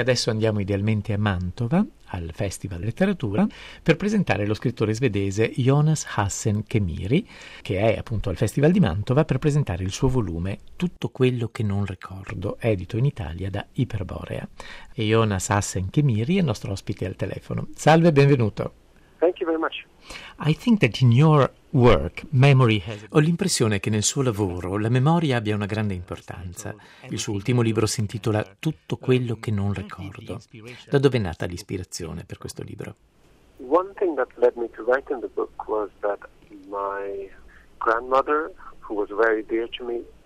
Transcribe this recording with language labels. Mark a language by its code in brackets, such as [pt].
[it] adesso andiamo idealmente a Mantova, al Festival Letteratura, per presentare lo scrittore svedese Jonas Hassen Kemiri, che è appunto al Festival di Mantova per presentare il suo volume Tutto quello che non ricordo, edito in Italia da Iperborea. E Jonas Hassen Kemiri è nostro ospite al telefono. Salve, benvenuto. [en] Thank you very much. I think that in your work, memory has... [it] Ho l'impressione che nel suo lavoro la memoria abbia una grande importanza. Il suo ultimo libro si intitola Tutto quello che non ricordo. Da dove è nata l'ispirazione per questo libro? [en] One thing that led me to write in the book was that my grandmother, who was very dear to me,